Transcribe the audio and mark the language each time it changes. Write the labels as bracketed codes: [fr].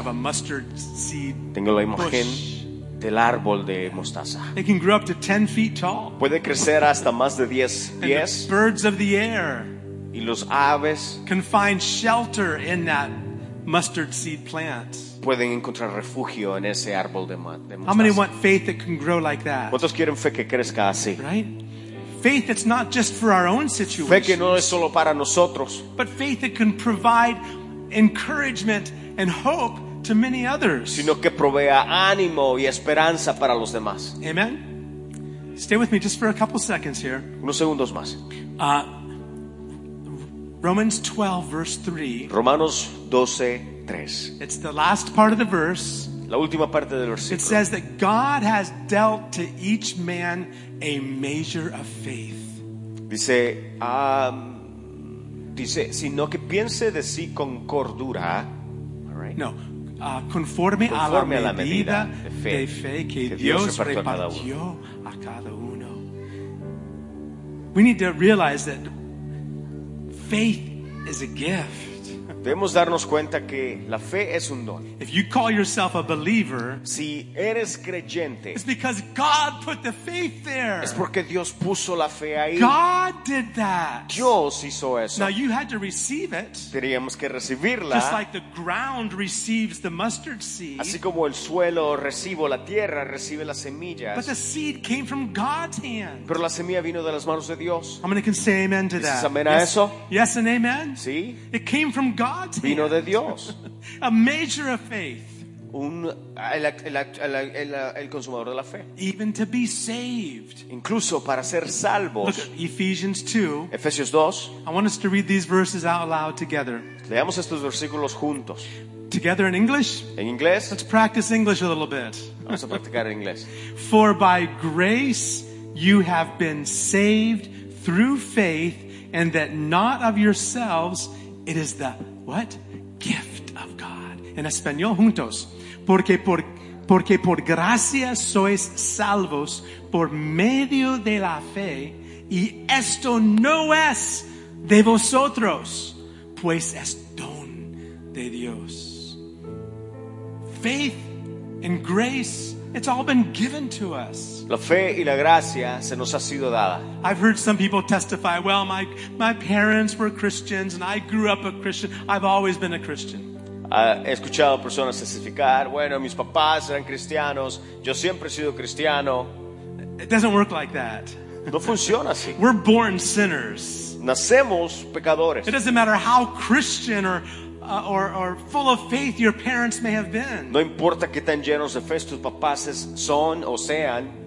[en] Of a mustard seed. [es] Tengo la imagen [en] bush. [es] Del árbol de mostaza. [en] It can grow up to 10 feet tall. [es] Puede crecer hasta más de 10 pies. [en] And the birds of the air. [es] Y los aves [en] can find shelter in that mustard seed plant. [es] Pueden encontrar refugio en ese árbol de mostaza. [en] How many want faith that can grow like that? [es] ¿Cuántos quieren fe que crezca así? [en] Right? Faith that's not just for our own situation. [es] Fe que no es solo para nosotros. [en] But faith that can provide encouragement and hope to many others. [es] Sino que provea ánimo y esperanza para los demás. [en] Amen. Stay with me just for a couple seconds here. [es] Unos segundos más. [en] Romans 12, verse 3. [es] Romanos 12, 3. [en] It's the last part of the verse. [es] La última parte del versículo. [en] It says that God has dealt to each man a measure of faith. [es] Dice, sino que piense de sí con cordura. [en] All right. [es] No. Conforme a la medida de fe que Dios repartió a cada uno. [en] We need to realize that faith is a gift. [es] Debemos darnos cuenta que la fe es un don. [en] If you call yourself a believer, [es] si eres creyente, [en] it's because God put the faith there. [es] Es porque Dios puso la fe ahí. [en] God did that. [es] Dios hizo eso. [en] Now you had to receive it. [es] Teníamos que recibirla. [en] Just like the ground receives the mustard seed. [es] Así como el suelo recibe la tierra, recibe las semillas. [en] But the seed came from God's hand. [es] Pero la semilla vino de las manos de Dios. [en] How many can say amen to that? [es] ¿Dices amén a eso? [en] Yes and amen. [es] Sí. [en] It came from God's [es] vino [en] hand. [es] De Dios. [en] A measure of faith. [es] El consumador de la fe. [en] Even to be saved. [es] Incluso para ser salvos. [en] Ephesians 2. [es] Efesios 2. [en] I want us to read these verses out loud together. [es] Leamos estos versículos juntos. [en] Together in English. [es] En inglés. [en] Let's practice English a little bit. [es] Vamos a practicar en inglés. [en] For by grace you have been saved through faith, and that not of yourselves, it is the what? Gift of God. [es] En español, juntos. Porque por gracia sois salvos por medio de la fe, y esto no es de vosotros, pues es don de Dios. [en] Faith and grace, it's all been given to us. [es] La fe y la gracia se nos ha sido dada. [en] I've heard some people testify, well, my parents were Christians and I grew up a Christian. I've always been a Christian. [es] He escuchado personas testificar, bueno, mis papás eran cristianos, yo siempre he sido cristiano. [en] It doesn't work like that. [es] No funciona así. [en] We're born sinners. [es] Nacemos pecadores. [en] It doesn't matter how Christian or full of faith your parents may have been. [es] No importa qué tan llenos de fe tus papás son o sean.